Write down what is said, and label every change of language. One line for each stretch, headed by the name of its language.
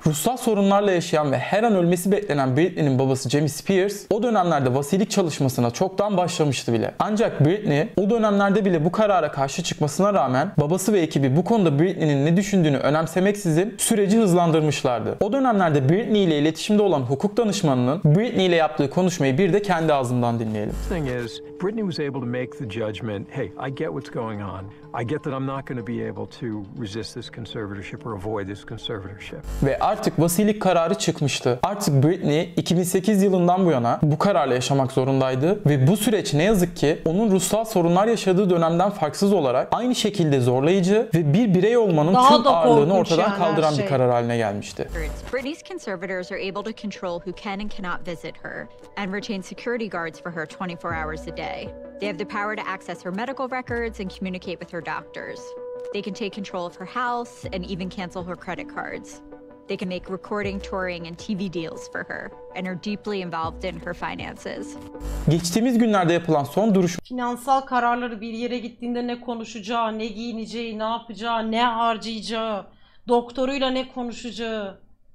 Turkish: Ruhsal sorunlarla yaşayan ve her an ölmesi beklenen Britney'nin babası Jamie Spears o dönemlerde vasilik çalışmasına çoktan başlamıştı bile. Ancak Britney o dönemlerde bile bu karara karşı çıkmasına rağmen babası ve ekibi bu konuda Britney'nin ne düşündüğünü önemsemeksizin süreci hızlandırmışlardı. O dönemlerde Britney ile iletişimde olan hukuk danışmanının Britney ile yaptığı konuşmayı bir de kendi ağzından dinleyelim.
English: The thing is, Britney was able to make the judgment, hey, I get what's going on. I get that I'm not going to be able to resist this conservatorship or avoid this conservatorship.
Turkish: Ve artık vasilik kararı çıkmıştı. Artık Britney 2008 yılından bu yana bu kararla yaşamak zorundaydı ve bu süreç ne yazık ki onun ruhsal sorunlar yaşadığı dönemden farksız olarak aynı şekilde zorlayıcı ve bir birey olmanın daha tüm da ağırlığını ortadan yani kaldıran bir karar haline gelmişti.
English: Britney's conservators are able to control who can and cannot visit her and retain security guards for her 24 hours a day. They have the power to access her medical records and communicate with her doctors. They can take control of her house and even cancel her credit cards. They can make recording, touring and TV deals for her and are deeply involved in her finances.
Turkish: Geçtiğimiz günlerde yapılan son duruşma. Finansal kararları bir yere gittiğinde ne konuşacağı, ne giyineceği, ne yapacağı, ne harcayacağı, doktoruyla ne konuşacağı.